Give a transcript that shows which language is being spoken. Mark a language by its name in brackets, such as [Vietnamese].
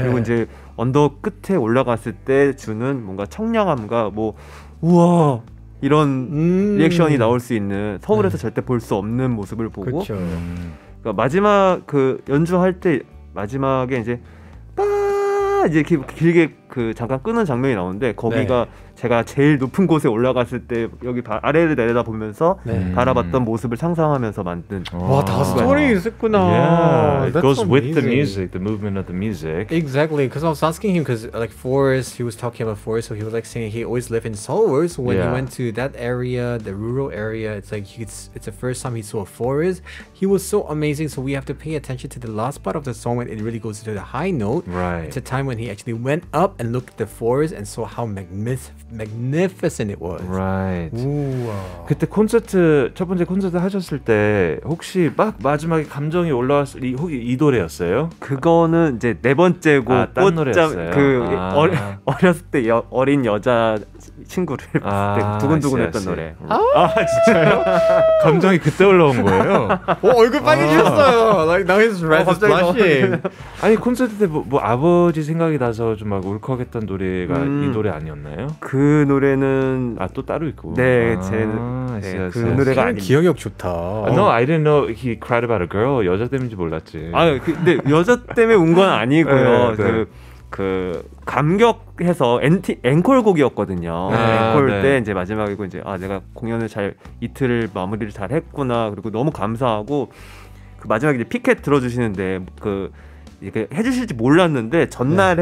[Korean] 그리고 이제 언덕 끝에 올라갔을 때 주는 뭔가 청량함과 뭐 우와 이런 리액션이 나올 수 있는 서울에서 절대 볼 수 없는 모습을 보고 그러니까 마지막 그 연주할 때 마지막에 이제 이제 길게 그 잠깐 끄는 장면이 나오는데 거기가 네. 제가 제일 높은 곳에 올라갔을 때 여기 아래를 내려다 보면서 네. 바라봤던 모습을 상상하면서 만든 와 다 스토리 있었구나. [English] Yeah, it goes with the music, the movement of the music. Exactly, because I was asking him because like forest, he was talking about forest, so he was like saying he always lived in Seoul, so when yeah. he went to that area, the rural area, it's like it's the first time he saw a forest. He was so amazing. So we have to pay attention to the last part of the song when it really goes to the high note. Right, it's a time when he actually went up and looked at the forest and saw how magnificent it was. Right. Ooh, wow. [Korean] 그때 콘서트 첫 번째 콘서트 하셨을 때 혹시 막 마지막에 감정이 올라왔을 이 혹이 이 노래였어요? 그거는 이제 네 번째고 아, 딴 노래였어요. 그 아. 어렸을 때 어린 여자 친구를 아, 두근두근했던 노래. 아 진짜요? 감정이 그때 올라온 거예요? 오 얼굴 빨개졌어요. 아. [English] Like now he's red and blushing. [Korean] 아니 콘서트 때 뭐 아버지 생각이 나서 좀 막 울컥했던 노래가 이 노래 아니었나요? 그 노래는 아 또 따로 있고 네 제 아, 네, 그 노래가 아니 기억력 좋다. [English] No, I didn't know he cried about a girl. [Korean] 여자 때문인지 몰랐지. 아 근데 여자 때문에 운 건 아니고요. 네, 그 네. 그 감격해서 앵콜 곡이었거든요. 아, 앵콜 네. 때 이제 마지막이고 이제 아 내가 공연을 잘 이틀을 마무리를 잘 했구나. 그리고 너무 감사하고 그 마지막에 이제 피켓 들어주시는데 그 이렇게 해주실지 몰랐는데 전날 네.